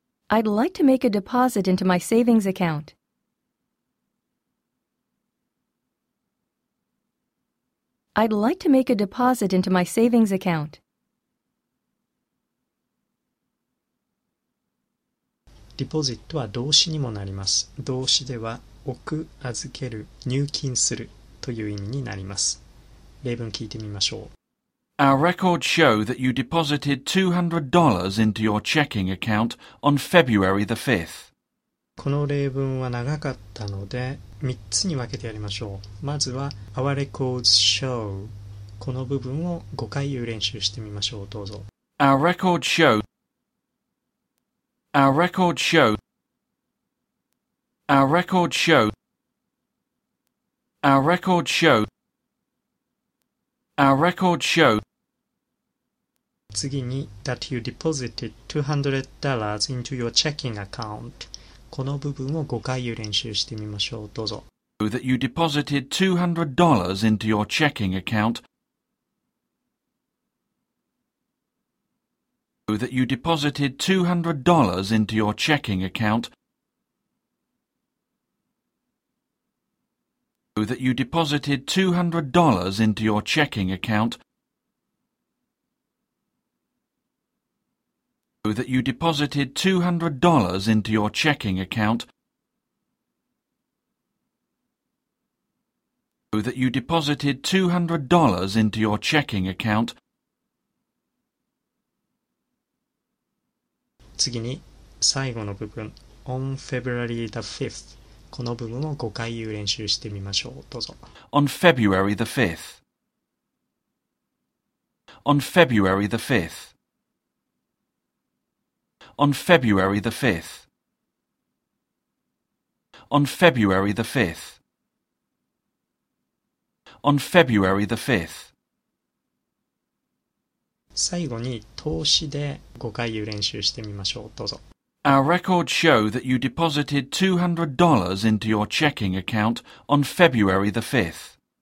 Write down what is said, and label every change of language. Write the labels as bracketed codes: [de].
[en] I'd like to make a deposit into my savings account. I'd like to make a deposit into my savings account. [ja] Deposit は動詞にもなります。動詞では、置く、預ける、入金するという意味になります。例文聞いてみましょう。 [en] Our records show that you deposited $200 into your checking account on February the 5th. [ja] この例文は長かったので、3つに分けてやりましょう。まずは、 [en] Our records show. [ja] この部分を5回言う練習してみましょう。どうぞ。 [en] Our records show. Our records show. Our records show. Our records show. Our records show. [ja] 次に、 [en] That you deposited $200 into your checking account. [ja] この部分を5回言う練習してみましょう。どうぞ。 [en] That you deposited $200 into your checking account. That you deposited $200 into your checking account. That you deposited $200 into your checking account. That you deposited $200 into your checking account. That you deposited $200 into your checking account. [ja] 次に最後の部分 [en] On February the 5th [ja] この部分を5回言う練習してみましょう。どうぞ。 [en] On February the 5th. On February the 5th. On February the 5th. On February the 5th. On February the 5th. [ja] 最後に投資で5回言う練習してみましょう。どうぞ。 [en] Our records show that you deposited $200 into your checking account on February the 5th.